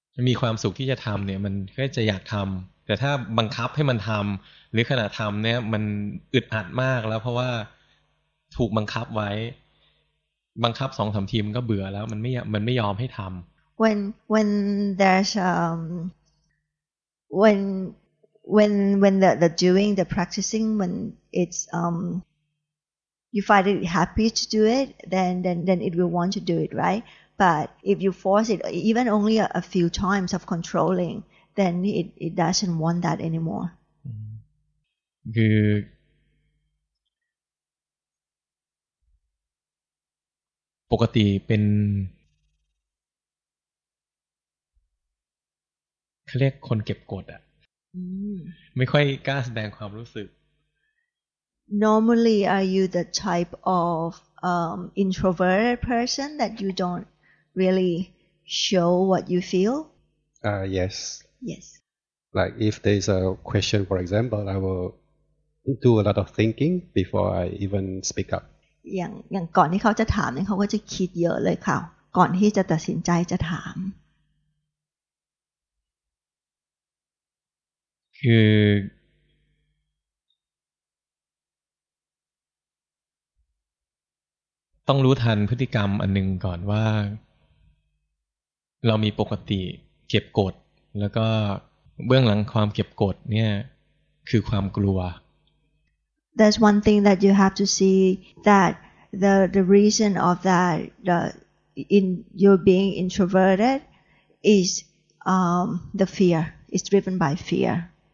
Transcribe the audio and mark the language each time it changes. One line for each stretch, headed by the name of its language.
Thai: มีความสุขที่จะทำเนี่ยมันก็จะอยากทำแต่ถ้าบังคับให้มันทำหรือขณะทำเนี่ยมันอึดอัดมากแล้วเพราะว่าถูกบังคับไว้บังคับสองสามทีมันก็เบื่อแล้วมันไม่ยอมให้ทำ
English: When there's when the doing the practicing when it's you find it happy to do it then it will want to do it right but if you force it even only a few times of controlling then it doesn't want that anymore. Good.
Thai: ปกติเป็นเขาเรียกคนเก็บกดอ่ะ ไม่ค่อยกล้าแสดงความรู้สึก
English: Normally are you the type of introverted person that you don't really show what you feel? Yes. Yes. Like if there's a question, for example, I will do a lot of thinking before I even speak up.
Thai: อย่างก่อนที่เขาจะถามเนี่ยเขาก็จะคิดเยอะเลยค่ะก่อนที่จะตัดสินใจจะถาม คือต้องรู้ทันพฤติกรรมอันนึงก่อนว่าเรามีปกติเก็บกดแล้วก็เบื้องหลังความเก็บกดเนี่ยคือความกลัว
English: there's one thing that you have to see that the reason of that in your being introverted is the fear. It's driven by fear.